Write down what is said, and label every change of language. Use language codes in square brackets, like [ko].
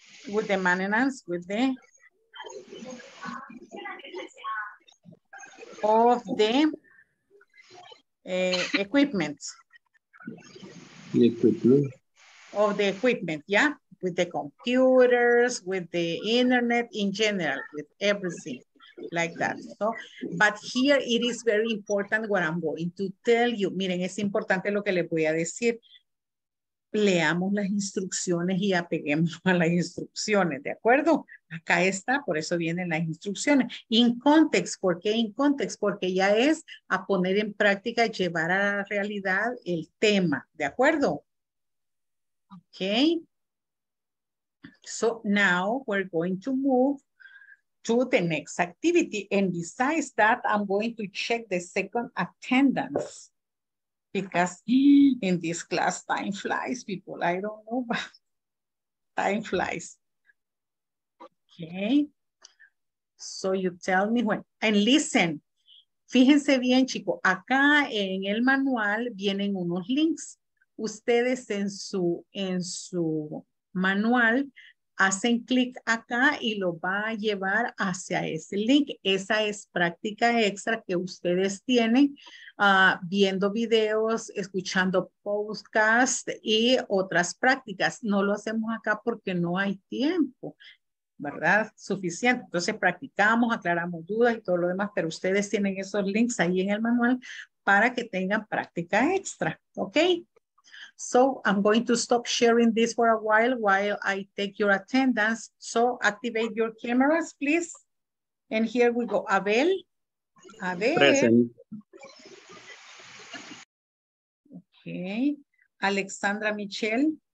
[en] With the maintenance, with the of the equipment. Of the equipment, yeah, with the computers, with the internet in general, with everything like that. So, but here it is very important what I'm going to tell you. [es] Miren, es importante lo que les voy a decir. Leamos las instrucciones y apeguemos a las instrucciones, ¿de acuerdo? Acá está, por eso vienen las instrucciones. In context, ¿por qué in context? Porque ya es a poner en práctica, llevar a la realidad el tema, ¿de acuerdo? [en] Ok. So now we're going to move to the next activity. And besides that, I'm going to check the second attendance. Because in this class, time flies, people. I don't know, but time flies. Okay. So you tell me when. And listen. [es] Fíjense bien, chicos. Acá en el manual vienen unos links. Ustedes en su manual hacen clic acá y lo va a llevar hacia ese link. Esa es práctica extra que ustedes tienen viendo videos, escuchando podcasts y otras prácticas. No lo hacemos acá porque no hay tiempo, ¿verdad? Suficiente. Entonces practicamos, aclaramos dudas y todo lo demás, pero ustedes tienen esos links ahí en el manual para que tengan práctica extra, ¿ok? [en] So I'm going to stop sharing this for a while I take your attendance. So activate your cameras, please. And here we go. Abel. Present. Okay. Alexandra Michelle.